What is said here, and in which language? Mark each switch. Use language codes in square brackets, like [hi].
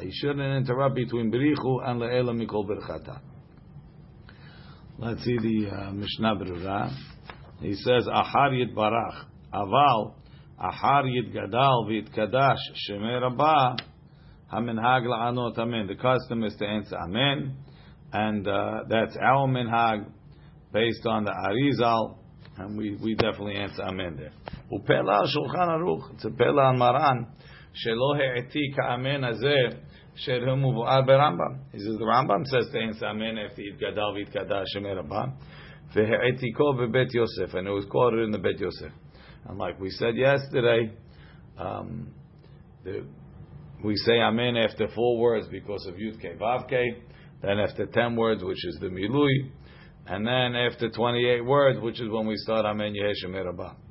[en] He shouldn't interrupt between בריחו and [he] לאלה מכל ברכתה. [en] Let's see the משנה ברורה. He says, [he] אחר יתברך, אבל אחר יתגדל ויתקדש שמי רבה, המנהג לענות אמן. [en] The custom is to answer אמן, and that's our מנהג, based on the Arizal, and we definitely answer אמן there. [he] ופלא על שולחן ערוך, זה פלא על מרן, שלא העתיק האמן הזה של המובאר ברמב״ם. זה רמב״ם [en] says to answer amen after [he] יתגדל ויתקדש שמי רבה, והעתיקו בבית יוסף, [en] and it was quoted in the בית יוסף. And like we said yesterday, we say amen after four words because of Yud Kei Vav Kei, then after 10 words, which is the milui, and then after 28 words, which is when we start amen יהיה שמי רבה.